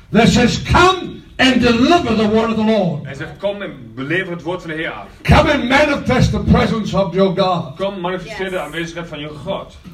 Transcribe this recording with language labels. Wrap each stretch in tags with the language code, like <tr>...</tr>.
<en>That says, come and deliver the word of the Lord.</en> <nl>Hij zegt, kom en lever het woord van de Heer af.</nl> <en>Come and manifest the presence of your God.</en> <nl>Kom, manifesteer de aanwezigheid van je God.</nl>